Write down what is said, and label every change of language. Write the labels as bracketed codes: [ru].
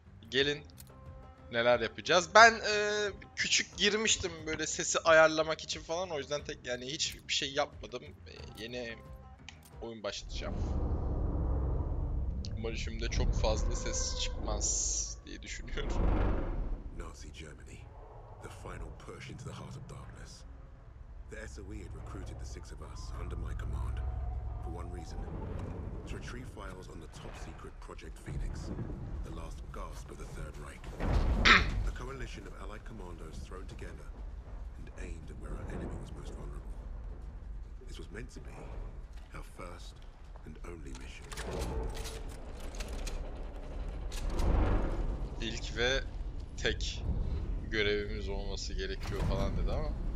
[tr] Gelin neler yapacağız. Ben küçük girmiştim böyle sesi ayarlamak için falan. O yüzden tek yani hiçbir şey yapmadım. Yeni oyun başlatacağım. Umarım şimdi çok fazla ses çıkmaz diye düşünüyorum. [en] Nazi Germany, the final push into the heart of darkness. The SOE had recruited the six of us under my command for one reason: to retrieve files on the top secret Project Phoenix, the last gasp of the Third Reich. A coalition of Allied commandos thrown together and aimed at where our enemy was most vulnerable. This was meant to be our first and only mission. [tr] İlk ve tek görevimiz olması gerekiyor falan dedi ama.